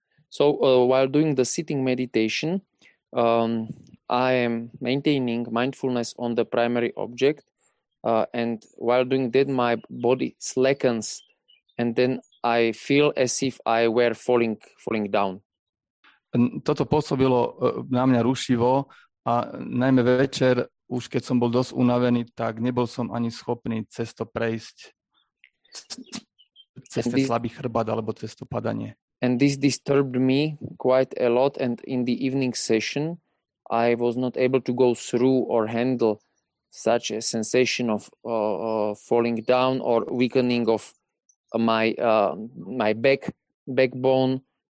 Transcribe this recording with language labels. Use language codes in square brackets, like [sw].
[en] So while doing the sitting meditation, I am maintaining mindfulness on the primary object, and while doing that my body slackens and then I feel as if I were falling down. [sk] Toto pôsobilo na mňa rušivo a najmä večer, už keď som bol dosť unavený, tak nebol som ani schopný cez to prejsť. Cez ten slabý chrbát alebo cez to padanie. [en] And this disturbed me quite a lot and in the evening session I was not able to go through or handle such a sensation of falling down or weakening of my my backbone.